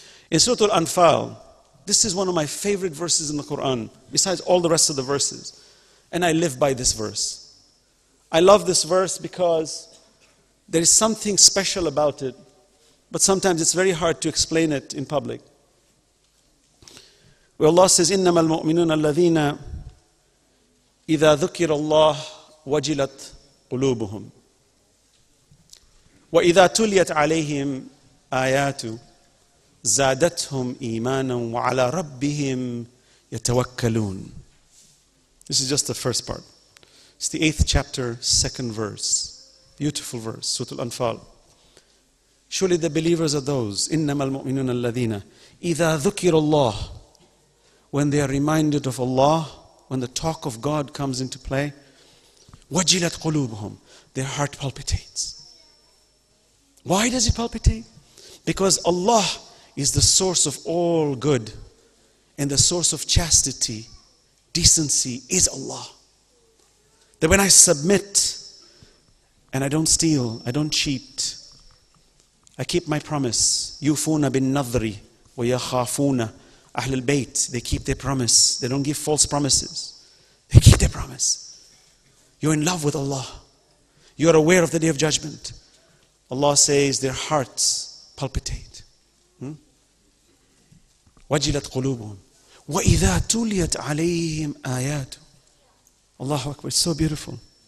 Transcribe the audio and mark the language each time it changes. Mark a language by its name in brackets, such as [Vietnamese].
[English] In Surah Al-Anfal, this is one of my favorite verses in the Quran, besides all the rest of the verses. And I live by this verse. I love this verse because there is something special about it, but sometimes it's very hard to explain it in public. [Arabic] Where Allah says, إِنَّمَا الْمُؤْمِنُونَ الَّذِينَ إِذَا ذُكِرَ اللَّهُ وَجِلَتْ قُلُوبُهُمْ وَإِذَا تُلِيَتْ عَلَيْهِمْ آيَاتُ زَادَتْهُمْ إِيمَانًا وَعَلَى رَبِّهِمْ يَتَوَكَّلُونَ [English] This is just the first part. It's the 8th chapter, 2nd verse. Beautiful verse, Surah Al-Anfal. Surely the believers are those, [Arabic] إِنَّمَا الْمُؤْمِنُونَ الَّذِينَ إِذَا ذُكِرُ اللَّهِ [English] When they are reminded of Allah, when the talk of God comes into play, [Arabic] وَجِلَتْ قُلُوبُهُمْ [English] Their heart palpitates. Why does it palpitate? Because Allah is the source of all good and the source of chastity. Decency is Allah. That when I submit and I don't steal, I don't cheat, I keep my promise. [Arabic] يُوفُونَ بِالنَّظْرِ وَيَخَافُونَ أَهْلِ الْبَيْتِ [English] They keep their promise. They don't give false promises. They keep their promise. You're in love with Allah. You are aware of the Day of Judgment. Allah says their hearts palpitate. [Arabic] وَجِلَتْ قُلُوبُهُمْ وَإِذَا تُلِيَتْ عَلَيْهِمْ آيَاتُ Allahu Akbar, [English] it's so beautiful.